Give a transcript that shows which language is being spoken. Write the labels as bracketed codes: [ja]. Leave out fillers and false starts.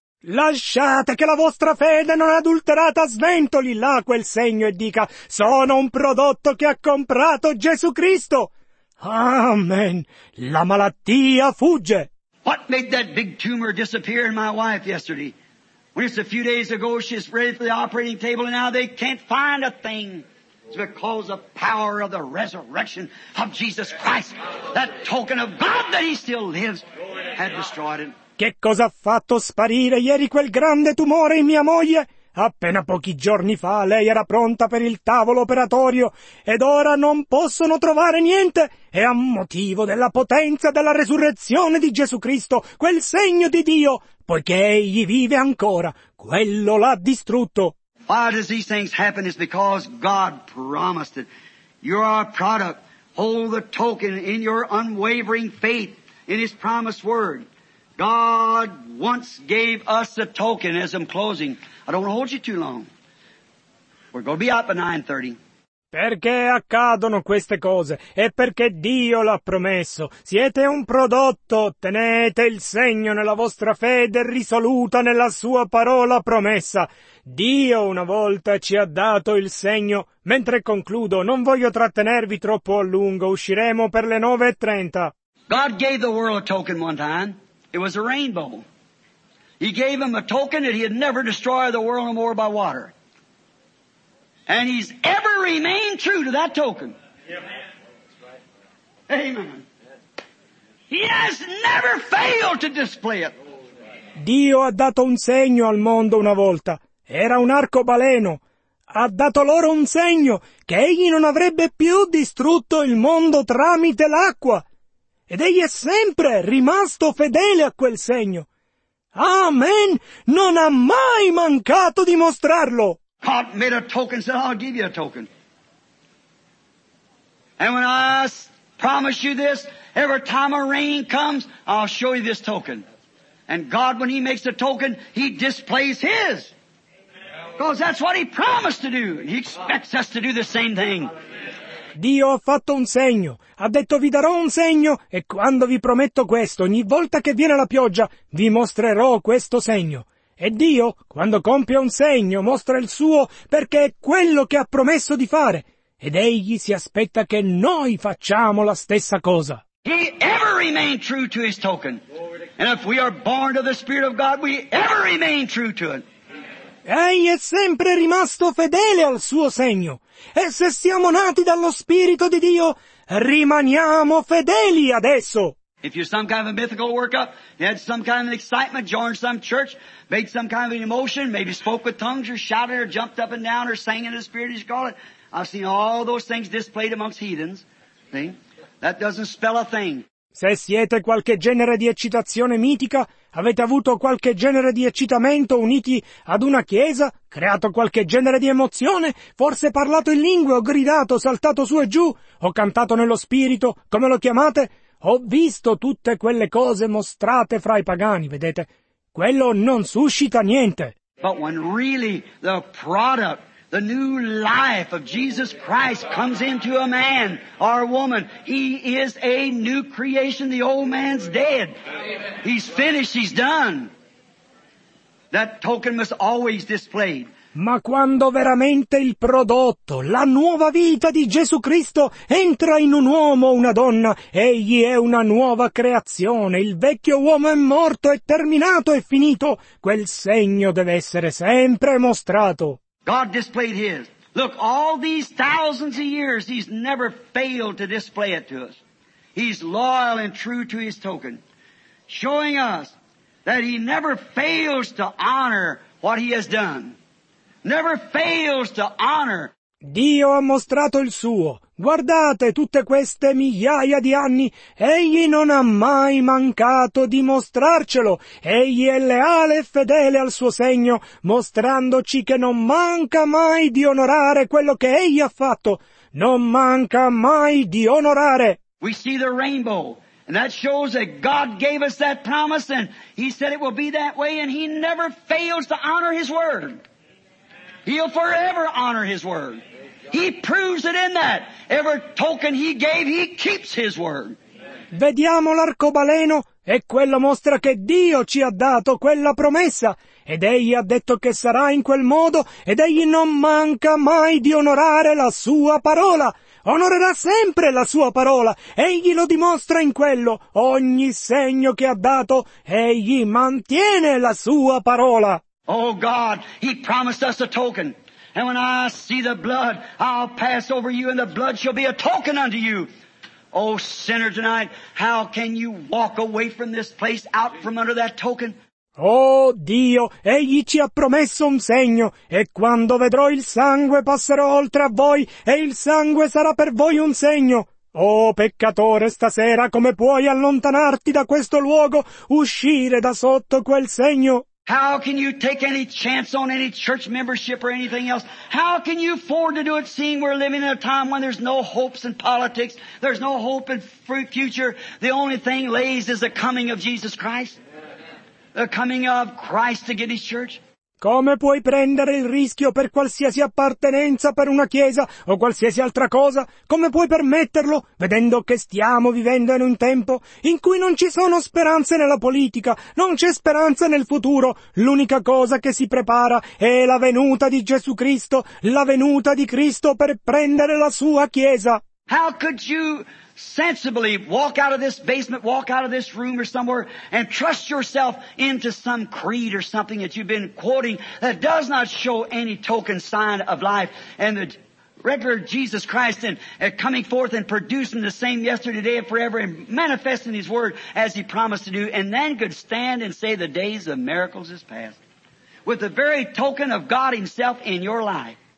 [it] Lasciate che la vostra fede non adulterata sventoli là quel segno e dica: "Sono un prodotto che ha comprato Gesù Cristo." Amen. La malattia fugge. [en] What made that big tumor disappear in my wife yesterday? When it's a few days ago, she's ready for the operating table and now they can't find a thing. It's because of the power of the resurrection of Jesus Christ. That token of God that he still lives had destroyed it. [it] Che cosa ha fatto sparire ieri quel grande tumore in mia moglie? Appena pochi giorni fa lei era pronta per il tavolo operatorio ed ora non possono trovare niente. È a motivo della potenza della resurrezione di Gesù Cristo, quel segno di Dio, poiché egli vive ancora. Quello l'ha distrutto. [en] Why does these things happen is because God promised it. You are a product. Hold the token in your unwavering faith in his promised word. God once gave us a token, as I'm closing. I don't want to hold you too long. We're going to be up at 9:30. [it] Perché accadono queste cose? È perché Dio l'ha promesso. Siete un prodotto. Tenete il segno nella vostra fede risoluta nella sua parola promessa. Dio una volta ci ha dato il segno. Mentre concludo, non voglio trattenervi troppo a lungo. Usciremo per le 9:30. [en] God gave the world a token one time. It was a rainbow. He gave him a token that he'd never destroy the world no more by water. And he's ever remained true to that token. Amen. He has never failed to display it. [it] Dio ha dato un segno al mondo una volta. Era un arcobaleno. Ha dato loro un segno che egli non avrebbe più distrutto il mondo tramite l'acqua. Ed egli è sempre rimasto fedele a quel segno. Amen! Non ha mai mancato di mostrarlo! [en] God made a token, said, "I'll give you a token. And when I promise you this, every time a rain comes, I'll show you this token." And God, when he makes a token, he displays his. Because that's what he promised to do. He expects us to do the same thing. [it] Dio ha fatto un segno, ha detto: "Vi darò un segno, e quando vi prometto questo, ogni volta che viene la pioggia, vi mostrerò questo segno." E Dio, quando compie un segno, mostra il suo perché è quello che ha promesso di fare. ed egli si aspetta che noi facciamo la stessa cosa. [en] He ever remained true to his token. And if we are born of the Spirit of God, we ever remain true to it. [it] Egli è sempre rimasto fedele al suo segno. E se siamo nati dallo Spirito di Dio, rimaniamo fedeli adesso. [en] If you're some kind of a mythical workup, you had some kind of excitement, joined some church, made some kind of an emotion, maybe spoke with tongues or shouted or jumped up and down or sang in the Spirit as you call it. I've seen all those things displayed amongst heathens. See? That doesn't spell a thing. [it] Se siete qualche genere di eccitazione mitica, avete avuto qualche genere di eccitamento uniti ad una chiesa, creato qualche genere di emozione, forse parlato in lingue, o gridato, saltato su e giù, o cantato nello spirito, come lo chiamate, ho visto tutte quelle cose mostrate fra i pagani, vedete? Quello non suscita niente. [en] But when really the product, the new life of Jesus Christ comes into a man or a woman, he is a new creation. The old man's dead. He's finished. He's done. That token must always display. [it] Ma quando veramente il prodotto, la nuova vita di Gesù Cristo entra in un uomo o una donna, egli è una nuova creazione, il vecchio uomo è morto, è terminato, è finito, quel segno deve essere sempre mostrato. [en] God displayed his. Look, all these thousands of years, he's never failed to display it to us. He's loyal and true to his token, showing us that he never fails to honor what he has done. Never fails to honor. [it] Dio ha mostrato il suo. Guardate tutte queste migliaia di anni. Egli non ha mai mancato di mostrarcelo. Egli è leale e fedele al suo segno, mostrandoci che non manca mai di onorare quello che egli ha fatto. Non manca mai di onorare. [en] We see the rainbow, and that shows that God gave us that promise, and he said it will be that way, and he never fails to honor his word. He'll forever honor his word. He proves it in that. Every token he gave, he keeps his word. [it] Vediamo l'arcobaleno e quello mostra che Dio ci ha dato quella promessa. Ed egli ha detto che sarà in quel modo ed egli non manca mai di onorare la sua parola. Onorerà sempre la sua parola. Egli lo dimostra in quello. Ogni segno che ha dato, egli mantiene la sua parola. [en] Oh God, he promised us a token. And when I see the blood, I'll pass over you, and the blood shall be a token unto you. Oh sinner tonight, how can you walk away from this place out from under that token? [it] Oh Dio, egli ci ha promesso un segno, e quando vedrò il sangue passerò oltre a voi, e il sangue sarà per voi un segno. Oh peccatore, stasera come puoi allontanarti da questo luogo, uscire da sotto quel segno? [en] How can you take any chance on any church membership or anything else? How can you afford to do it, seeing we're living in a time when there's no hopes in politics, there's no hope in future, the only thing lays is the coming of Jesus Christ, the coming of Christ to get his church? [it] Come puoi prendere il rischio per qualsiasi appartenenza per una chiesa o qualsiasi altra cosa? Come puoi permetterlo, vedendo che stiamo vivendo in un tempo in cui non ci sono speranze nella politica, non c'è speranza nel futuro? L'unica cosa che si prepara è la venuta di Gesù Cristo, la venuta di Cristo per prendere la sua chiesa. [en] How could you sensibly walk out of this basement, walk out of this room or somewhere, and trust yourself into some creed or something that you've been quoting that does not show any token sign of life and the regular Jesus Christ and coming forth and producing the same yesterday, today, and forever, and manifesting his word as he promised to do, and then could stand and say the days of miracles is past with the very token of God himself in your life?